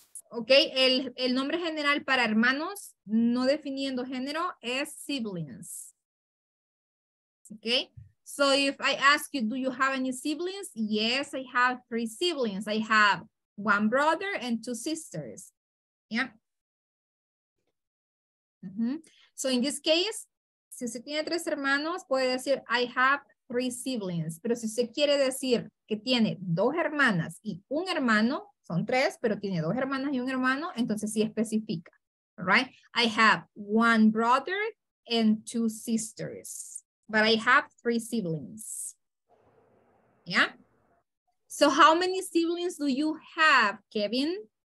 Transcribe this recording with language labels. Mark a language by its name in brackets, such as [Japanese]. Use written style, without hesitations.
[Spanish] Okay, el nombre general para hermanos, no definiendo género, es siblings. [English] Okay, so if I ask you, do you have any siblings? Yes, I have 3 siblings. I have 1 brother and 2 sisters. Yeah. Mm-hmm. So in this case, [Spanish] si usted tiene 3 hermanos, puede decir, [English] I have 3 siblings. [Spanish] Pero si usted quiere decir que tiene 2 hermanas y 1 hermano, son 3, pero tiene 2 hermanas y 1 hermano, entonces sí especifica, right? [English] I have 1 brother and 2 sisters, but I have 3 siblings. Yeah? So how many siblings do you have, Kevin?